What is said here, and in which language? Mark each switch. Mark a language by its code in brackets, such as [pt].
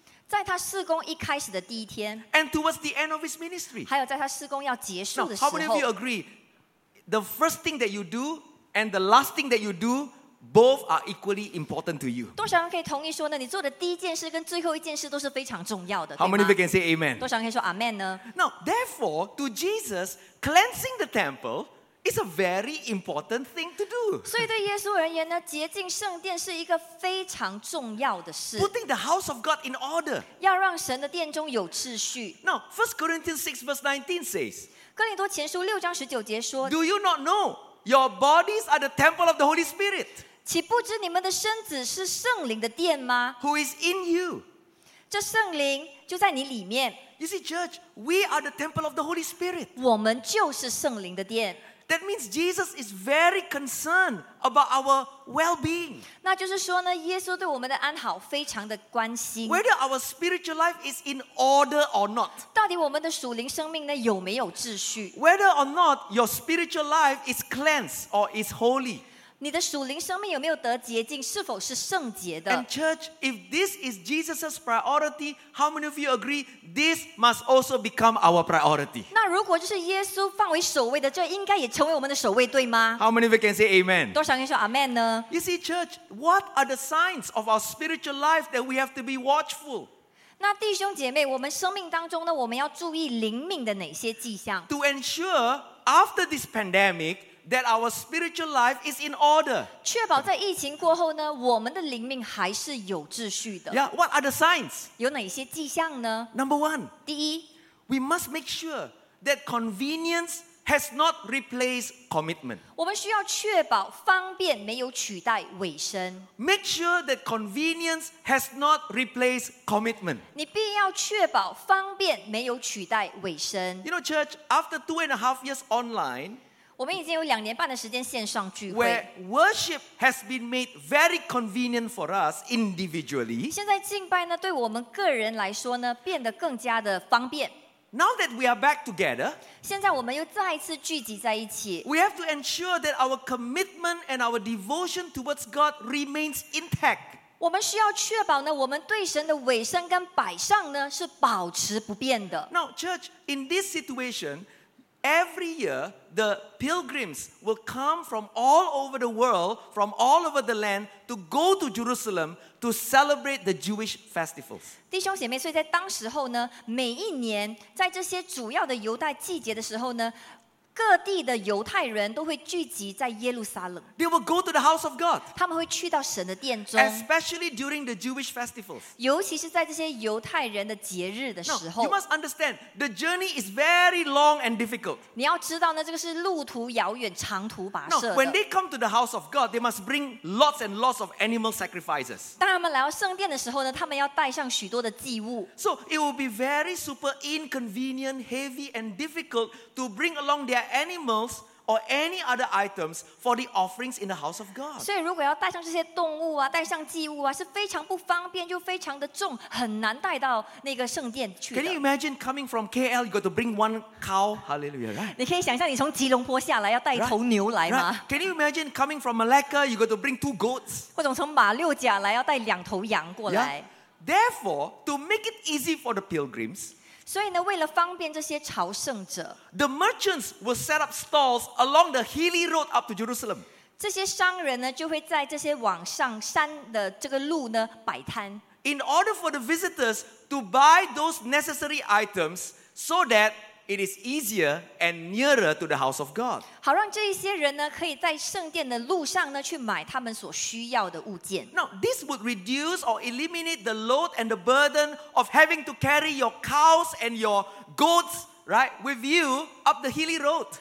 [zh] 在他事工一开始的第一天。 [en] And towards the end of his ministry. [zh] 还有在他事工要结束的时 [en] 候。Now, how many of you agree? The first thing that you do and the last thing that you do, both are equally important to you. [zh] 多少人可以同意说呢？你做的第一件事跟最后一件事都是非常重要的。 [en] How many of you can say amen? [zh] 多少人可以说 amen 呢？ [en] Now, therefore, to Jesus, cleansing the temple is a very important thing to do. [zh] 所以对耶稣而言呢，洁净圣殿是一个非常重要的事。 [en] Putting the house of God in order. [zh] 要让神的殿中有秩序。 [en] Now, 1 Corinthians 6 verse 19 says. [zh] 哥林多前书六章十九节说。 [en] Do you not know? Your bodies are the temple of the Holy Spirit. [zh] 岂不知你们的身子是圣灵的殿吗？ [en] Who is in you? [zh] 这圣灵就在你里面。 [en] You see, church, we are the temple of the Holy Spirit. [zh] 我们就是圣灵的殿。 [en] That means Jesus is very concerned about our well-being. [zh] 那就是说呢，耶稣对我们的安好非常的关心。 [en] Whether our spiritual life is in order or not. [zh] 到底我们的属灵生命呢，有没有秩序？ [en] Whether or not your spiritual life is cleansed or is holy. [zh] 你的属灵生命有没有得洁净，是否是圣洁的？ [en] And church, if this is Jesus's priority, how many of you agree? This must also become our priority. [zh] 那如果就是耶稣放为首位的，这应该也成为我们的首位，对吗？ [en] How many of you can say amen? [zh] 多少人可以说 amen 呢？ [en] You see, church, what are the signs of our spiritual life that we have to be watchful? [zh] 那弟兄姐妹，我们生命当中呢，我们要注意灵命的哪些迹象？ [en] To ensure after this pandemic that our spiritual life is in order. [zh] 确保在疫情过后呢，我们的灵命还是有秩序的。 [en] Yeah, what are the signs? [zh] 有哪些迹象呢？ [en] Number one. [zh] 第一。 [en] We must make sure that convenience has not replaced commitment. [zh] 我们需要确保方便没有取代委身。 [en] Make sure that convenience has not replaced commitment. [zh] 你必要确保方便没有取代委身。 [en] You know, church, after 2.5 years online, [zh] 我们已经有两年半的时间线上聚会。 [en] Where worship has been made very convenient for us individually. [zh] 现在敬拜呢，对我们个人来说呢，变得更加的方便。 [en] Now that we are back together, [zh] 现在我们又再一次聚集在一起。 [en] We have to ensure that our commitment and our devotion towards God remains intact. [zh] 我们需要确保呢，我们对神的委身跟摆上呢是保持不变的。 [en] Now, church, in this situation, every year the pilgrims will come from all over the world, from all over the land, to go to Jerusalem to celebrate the Jewish festivals. [zh] 弟兄姐妹，所以在当时候呢，每一年在这些主要的犹太季节的时候呢。各地的犹太人都会聚集在耶路撒冷。 [en] They will go to the house of God. [zh] 他们会去到神的殿中。 [en] Especially during the Jewish festivals. [zh] 尤其是在这些犹太人的节日的时候。 [en] No, you must understand, the journey is very long and difficult. [zh] 你要知道呢，这个是路途遥远，长途跋涉的。 [en] No, when they come to the house of God, they must bring lots and lots of animal sacrifices. [zh] 当他们来到圣殿的时候呢，他们要带上许多的祭物。 [en] So it will be very super inconvenient, heavy and difficult to bring along their animals or any other items for the offerings in the house of God. [zh] 所以如果要带上这些动物啊，带上祭物啊，是非常不方便，又非常的重，很难带到那个圣殿去的。 [en] Can you imagine coming from KL? You got to bring one cow. Hallelujah, right? [zh] 你可以想象你从吉隆坡下来要带一头牛来吗？ [en] Right. Can you imagine coming from Malacca? You got to bring two goats. [zh] 或者从马六甲来要带两头羊过来。 [en] Yeah. Therefore, to make it easy for the pilgrims. [zh] 所以呢，为了方便这些朝圣者 [en] ，the merchants will set up stalls along the hilly road up to Jerusalem. [zh] 这些商人呢，就会在这些往上山的这个路呢摆摊。 [en] In order for the visitors to buy those necessary items, so that it is easier and nearer to the house of God. [zh] 好让这一些人呢，可以在圣殿的路上呢去买他们所需要的物件。 [en] Now, this would reduce or eliminate the load and the burden of having to carry your cows and your goats, right, with you up the hilly road.